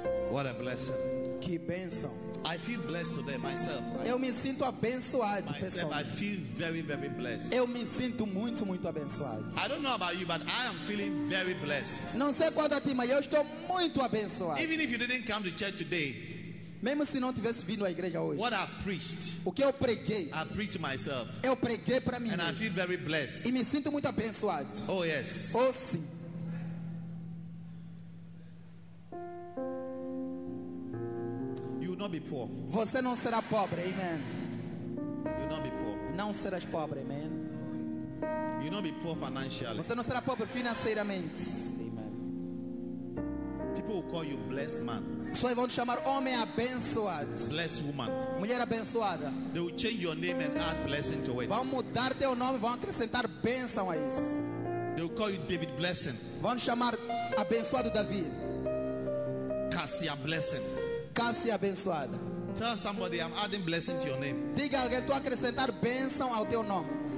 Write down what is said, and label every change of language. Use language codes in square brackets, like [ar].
[en] What a blessing. [pt] Que bênção. [en] I feel blessed today myself. [pt] Eu me sinto abençoado, pessoal. [en] I feel very, very blessed. [pt] Eu me sinto muito, muito abençoado. [en] I don't know about you, but I am feeling very blessed. [pt] Não sei qual da ti, mas eu estou muito abençoado. [en] Even if you didn't come to church today. [pt] Mesmo se não tivesse vindo à igreja hoje. [en] What I preached. [pt] O que eu preguei. [en] I preached to myself. [pt] Eu preguei para mim. [en] And [pt] mesmo. [en] I feel very blessed. [pt] E me sinto muito abençoado. [en] Oh yes. [pt] Oh sim. [en] Not be poor. [pt] Você não será pobre, amen. [en] You'll not be poor. [pt] Não serás pobre, amen. [en] You'll not be poor financially. [pt] Você não será pobre financeiramente, amen. [en] People will call you blessed man. [pt] Só vão te chamar homem abençoado. [en] Blessed woman. [pt] Mulher abençoada. [en] They will change your name and add blessing to it. [pt] Vão mudar teu nome, vão acrescentar bênção a isso. [en] They will call you David blessing. [pt] Vão te chamar abençoado Davi. [en] Cassia blessing. [pt] Cássia abençoada. [en] Tell somebody I'm adding blessing to your name. [pt] Diga alguém, estou acrescentar bênção ao teu nome.